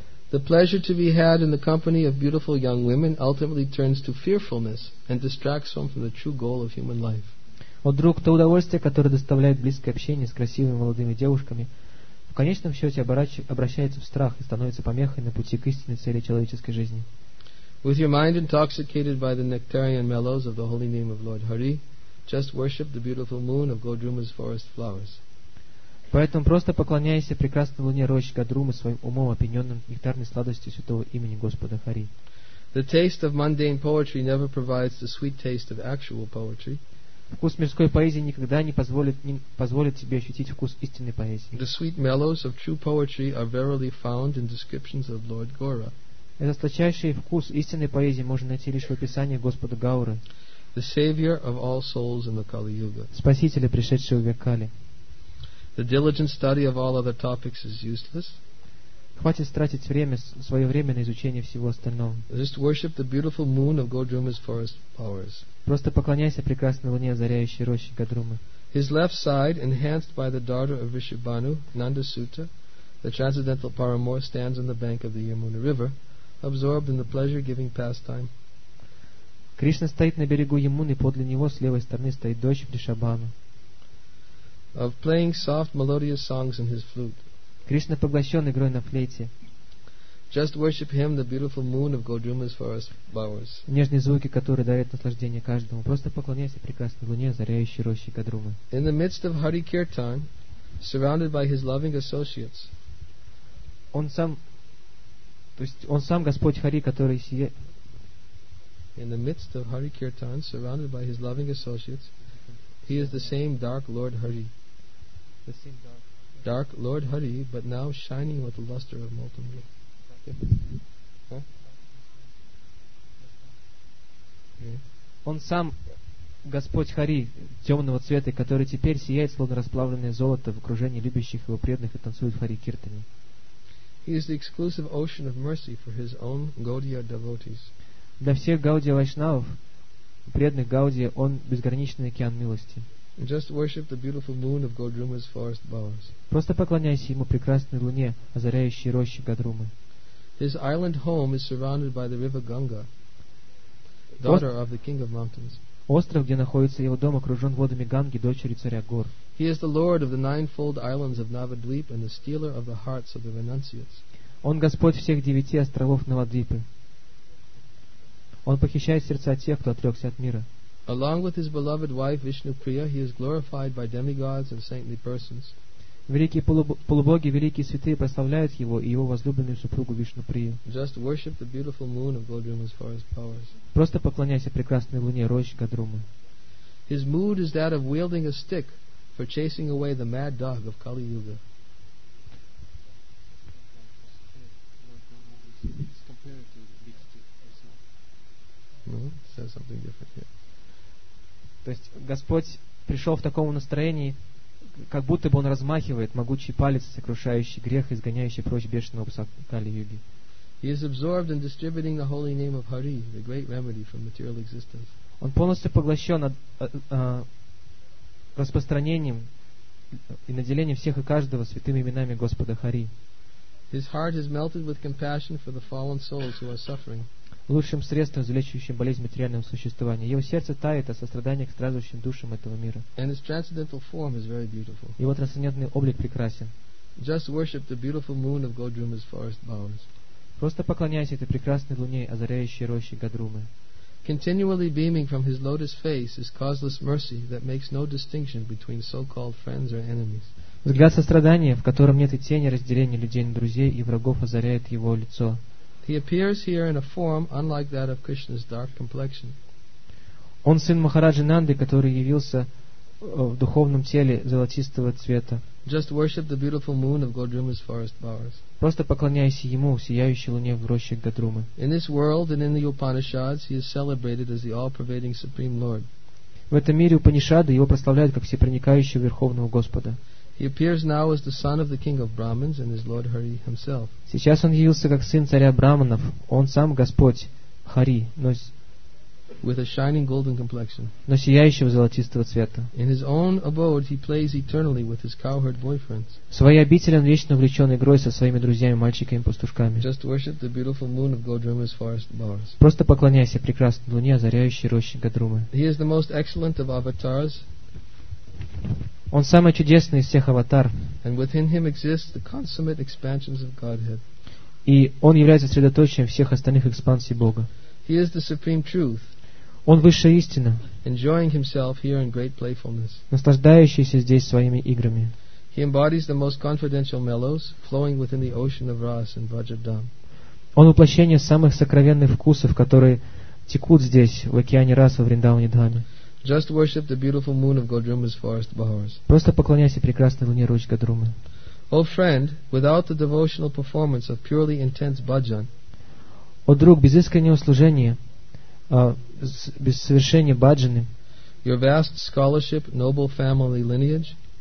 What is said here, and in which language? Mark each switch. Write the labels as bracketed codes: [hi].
[en] The pleasure to be had in the company of beautiful young women ultimately turns to fearfulness and distracts one from the true goal of human life. [ru] О, друг, то удовольствие, которое доставляет близкое общение с красивыми молодыми девушками, в конечном счете обращается в страх и становится помехой на пути к истинной цели человеческой жизни. [en] With your mind intoxicated by the nectarian mellows of the holy name of Lord Hari, Just worship the beautiful moon of Godruma's forest flowers. [ru] Поэтому просто поклоняйся прекрасной луне рощи Годрумы своим умом, опьяненным нектарной сладостью святого имени Господа Хари. [en] The taste of mundane poetry never provides the sweet taste of actual poetry. [ru] Вкус мирской поэзии никогда не позволит тебе ощутить вкус истинной поэзии. [en] The sweet mellows of true poetry are verily found in descriptions of Lord Gaura. [ru] Этот сладчайший вкус истинной поэзии можно найти лишь в описании Господа Гауры. [en] The savior of all souls in the Kali Yuga. [ru] Спасителя, пришедшего в век Кали. [en] The diligent study of all other topics is useless. [ru] Хватит тратить время, свое время на изучение всего остального. [en] Just worship the beautiful moon of Godruma's forest flowers. [ru] Просто поклоняйся прекрасной луне, озаряющей рощи Годрумы. [en] His left side, enhanced by the daughter of Vishubhanu, Nandasuta, the transcendental paramour stands on the bank of the Yamuna River, absorbed in the pleasure-giving pastime. [ru] Кришна стоит на берегу Ямуны, подле него с левой стороны стоит дочь Вришабану. [en] Of playing soft melodious songs in his flute. [ru] Кришна поглощен игрой на флейте. [en] Just worship him, the beautiful moon of Godruma's forest flowers. [ru] Нежные звуки, которые дарят наслаждение каждому. Просто поклоняйся прекрасной луне, озаряющей рощи Годрумы. [en] In the midst of Hari Kirtan, surrounded by his loving associates. [ru] Он сам Господь Хари, который сие. [en] In the midst of Hari Kirtan, surrounded by his loving associates, he is the same dark Lord Hari. The same dark. Dark Lord Hari, but now shining with the luster of molten gold. [ru] Он сам Господь Хари темного цвета, который теперь сияет словно расплавленное золото в окружении любящих его преданных и танцует Хари Киртани. [en] He is the exclusive ocean of mercy for his own Gaudiya devotees. [ru] Для всех Гаудия Вайшнавов, преданных Гаудии, он безграничный океан милости. [en] Just worship the beautiful moon of Godruma's forest bowers. [ru] Просто поклоняйся ему прекрасной луне, озаряющей рощи Годрумы. [en] His island home is surrounded by the river Ganga, daughter of the king of mountains. [ru] Остров, где находится его дом, окружен водами Ганги, дочери царя гор. [en] He is the lord of the ninefold islands of Navadvip and the stealer of the hearts of the renunciates. [ru] Он господь всех девяти островов Навадвипы. Он похищает сердца тех, кто отрекся от мира. [en] Along with his beloved wife Vishnupriya, he is glorified by demigods and saintly persons. [ru] Великие полубоги, великие святые прославляют его и его возлюбленную супругу Вишнуприю. [en] Just worship the beautiful moon of Godruma's forest powers. [ru] Просто поклоняйся прекрасной луне рощи Годрумы. [en] His mood is that of wielding a stick for chasing away the mad dog of Kali Yuga. Says something different here. [ru] То есть Господь пришел в таком настроении, как будто бы он размахивает могучий палец, сокрушающий грех, изгоняющий прочь бешеного пса Кали-юги. [en] He is absorbed in distributing the holy name of Hari, the great remedy from material existence. [ru] Он полностью поглощен распространением и наделением всех и каждого святыми именами Господа Хари. [en] His heart is melted with compassion for the fallen souls who are suffering. [ru] Лучшим средством, излечивающим болезнь материального существования. Его сердце тает от сострадания к страдающим душам этого мира. [en] And his transcendental form is very beautiful. [ru] Его трансцендентный облик прекрасен. [en] Just worship the beautiful moon of Godruma's forest bowers. [ru] Просто поклоняйся этой прекрасной луне, озаряющей рощи Годрумы. [en] Continually beaming from his lotus face is causeless mercy that makes no distinction between so-called friends or enemies. [ru] Взгляд сострадания, в котором нет и тени разделения людей на друзей и врагов, озаряет его лицо. [en] He appears here in a form unlike that of Krishna's dark complexion. [ru] Он сын Махараджи Нанды, который явился в духовном теле золотистого цвета. [en] Just worship the beautiful moon of Godruma's forest bowers. [ru] Просто поклоняйся ему, сияющей луне в роще Годрумы. [en] In this world and in the Upanishads, he is celebrated as the all-pervading supreme lord. [ru] В этом мире Упанишады его прославляют как всепроникающего верховного Господа. [en] He appears now as the son of the king of Brahmins and his Lord Hari himself. [ru] Сейчас он явился как сын царя Браманов, он сам Господь Хари, но [en] with a shining golden complexion. [ru] Но сияющего золотистого цвета. [en] In his own abode he plays eternally with his cowherd boyfriends. [ru] В своей обители он вечно увлечен игрой со своими друзьями, мальчиками-пастушками. [en] Just worship the beautiful moon of Godruma's forest bowers. [ru] Просто поклоняйся прекрасной луне, озаряющей рощи Годрумы. [en] He is the most excellent of avatars. [ru] Он самый чудесный из всех аватар. [en] And within him exist the consummate expansions of Godhead. [ru] И он является средоточием всех остальных экспансий Бога. [en] He is the supreme truth. [ru] Он высшая истина. [en] Enjoying himself here in great playfulness. [ru] Наслаждающийся здесь своими играми. [en] He embodies the most confidential mellows flowing within the ocean of Ras and Vajradham. [ru] Он воплощение самых сокровенных вкусов, которые текут здесь, в океане Раса, в Риндауне Дхаме. [en] Just worship the beautiful moon of Godruma's forest bowers. [ru] Просто поклоняйся прекрасной луне ручь Годрумы. [en] O friend, without the devotional performance of purely intense bhajan. [ru] О друг, без искреннего служения, без совершения баджаны. [en] Your vast scholarship, noble family lineage.